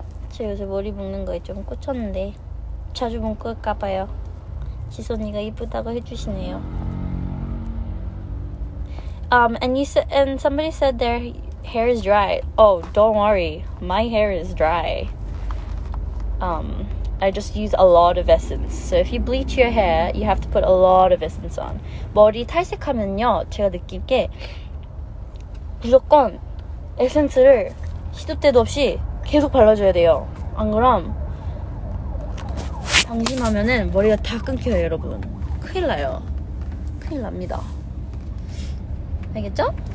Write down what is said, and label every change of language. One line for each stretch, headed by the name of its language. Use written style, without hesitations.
Korean: 저 요새 머리 묶는 거에 좀 꽂혔는데 자주 묶을까 봐요. 지선이가 이쁘다고 해주시네요.
English: And you said, and somebody said their hair is dry. Oh, don't worry, my hair is dry. I just use a lot of essence. So if you bleach your hair, you have to put a lot of essence on.
Korean: 머리 탈색하면요, 제가 느낀 게 무조건 에센스를 시도 때도 없이 계속 발라줘야 돼요. 안 그럼 방심하면은 머리가 다 끊겨요, 여러분. 큰일 나요. 큰일 납니다. 알겠죠?